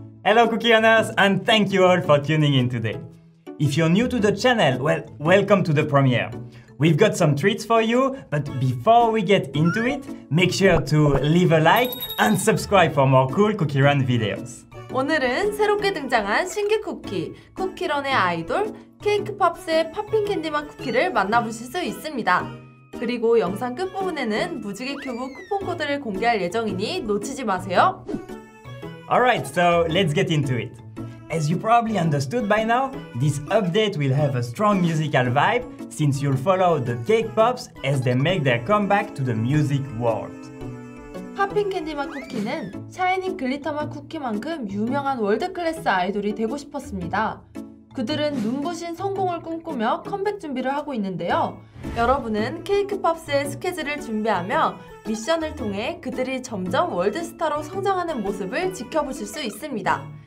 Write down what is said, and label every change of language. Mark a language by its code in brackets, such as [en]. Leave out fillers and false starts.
[en] Hello, Cookieners, and thank you all for tuning in today. If you're new to the channel, well, welcome to the premiere. We've got some treats for you, but before we get into it, make sure to leave a like and subscribe for more cool Cookie Run videos. [ko] 오늘은 새롭게 등장한 신규 쿠키, 쿠키런의 아이돌, 케이크 팝스의 팝핑 캔디맛 쿠키를 만나보실 수 있습니다. 그리고 영상 끝부분에는 무지개 큐브 쿠폰 코드를 공개할 예정이니 놓치지 마세요. [en] Alright, so let's get into it. As you probably understood by now, this update will have a strong musical vibe since you'll follow the cake pops as they make their comeback to the music world. [ko] 팝핑 캔디맛 쿠키는 샤이닝 글리터맛 쿠키만큼 유명한 월드클래스 아이돌이 되고 싶었습니다. 그들은 눈부신 성공을 꿈꾸며 컴백 준비를 하고 있는데요. 여러분은 케이크 팝스의 스케줄을 준비하며 미션을 통해 그들이 점점 월드스타로 성장하는 모습을 지켜보실 수 있습니다.